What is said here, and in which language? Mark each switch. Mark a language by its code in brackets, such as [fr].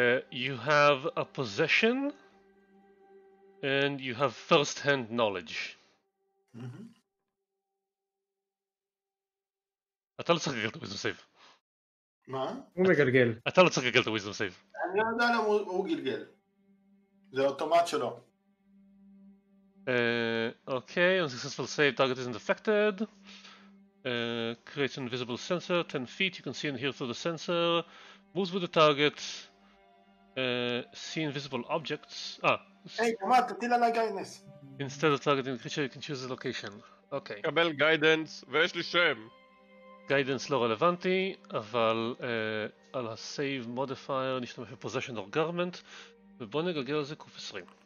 [en] You have a possession and you have first hand knowledge. [he] אתה לא צריך לגלגל את הוויזדום סייב. מה? הוא מגלגל. אתה לא צריך לגלגל את הוויזדום סייב. אני לא יודע למה הוא גלגל. זה אוטומט שלו. [en] אוקיי, unsuccessful save, target isn't affected. Create an invisible sensor, 10 feet, you can see and hear through the sensor. Moves with the target. See invisible objects. [he] היי, תמר, תטיל עליי גיידנס. [en] Instead of targeting the creature, you can choose the location. אוקיי. [he] קבל גיידנס, ויש לי שם. גיידנס לא רלוונטי, אבל על הסייב מודיפייר נשתמש בפוזיישן אור גרמנט, ובוא נגלגל על זה קוף 20.